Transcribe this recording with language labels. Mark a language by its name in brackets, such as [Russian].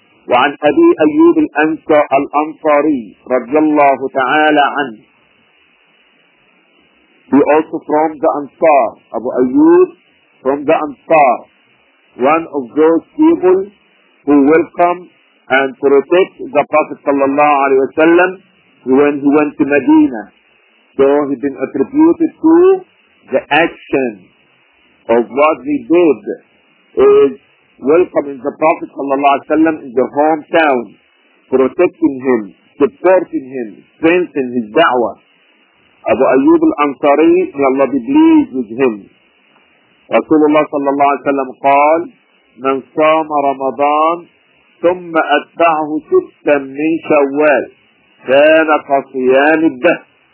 [Arabic] وعن أبي أيوب الأنصاري رضي الله تعالى عنه. [English] He also from the Ansar, Abu Ayyub from the Ansar, one of those people who welcomed and protect the Prophet sallallahu alayhi wa sallam when he went to Medina. So he been attributed to the action of what he did is welcoming the Prophet sallallahu alayhi wa sallam in the hometown, protecting him, supporting him, strengthening his da'wah. Abu Ayyub al-Ansari, may Allah be pleased with him. [Arabic] Rasulullah sallallahu alayhi wa sallam qal, من صام رمضان ثم أتبعه ستا من شوال كان كصيام الدهر.